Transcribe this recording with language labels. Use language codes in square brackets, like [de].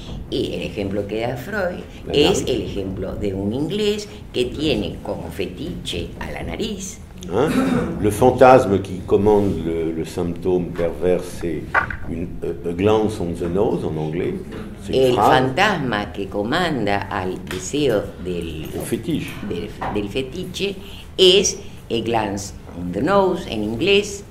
[es] Y el ejemplo que da Freud es el ejemplo de un inglés que tiene como fetiche a la nariz. [fr] Hein? Le fantasme qui commande le symptôme pervers, c'est [en] a glance on the nose [fr] en anglais. C'est [es] el fantasma que comanda al deseo del fétiche es [en] a glance on the nose [es] en inglés.